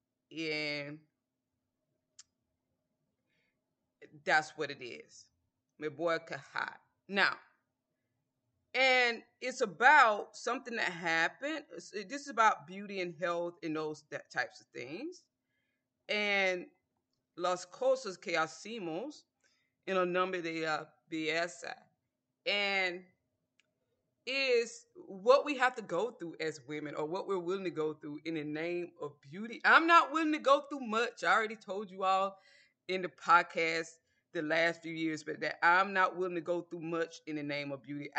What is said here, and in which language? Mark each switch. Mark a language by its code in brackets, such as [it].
[en] And that's what it is. My boy Kahat. Now, and it's about something that happened. This is about beauty and health and those that types of things. And [es] las cosas que hacemos en el nombre de la belleza. [en] And is what we have to go through as women or what we're willing to go through in the name of beauty. I'm not willing to go through much. I already told you all in the podcast the last few years, but that I'm not willing to go through much in the name of beauty.